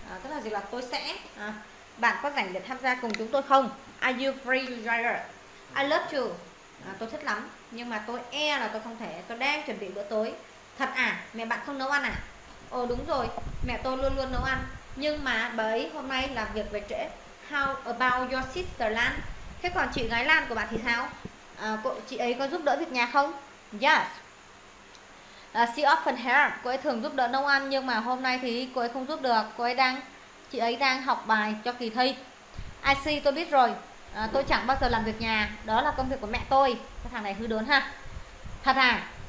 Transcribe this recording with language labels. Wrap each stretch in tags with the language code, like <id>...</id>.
<vi>Tức là gì là tôi sẽ bạn có rảnh để tham gia cùng chúng tôi không?</vi> <en>Are you free to join us? I love to.</en> <vi>Tôi thích lắm, nhưng mà tôi e là tôi không thể. Tôi đang chuẩn bị bữa tối. Thật à? Mẹ bạn không nấu ăn à? Ồ đúng rồi, mẹ tôi luôn luôn nấu ăn, nhưng mà bởi hôm nay làm việc về trễ.</vi> <en>How about your sister Lan?</en> <vi>Thế còn chị gái Lan của bạn thì sao? Chị ấy có giúp đỡ việc nhà không?</vi> <en>Yes. She often help.</en> <vi>Cô ấy thường giúp đỡ nấu ăn, nhưng mà hôm nay thì cô ấy không giúp được. Chị ấy đang học bài cho kỳ thi.</vi> <en>I see,</en> <vi>tôi biết rồi. Tôi chẳng bao giờ làm việc nhà. Đó là công việc của mẹ tôi. Cái thằng này hư đốn ha. Thật à?</vi>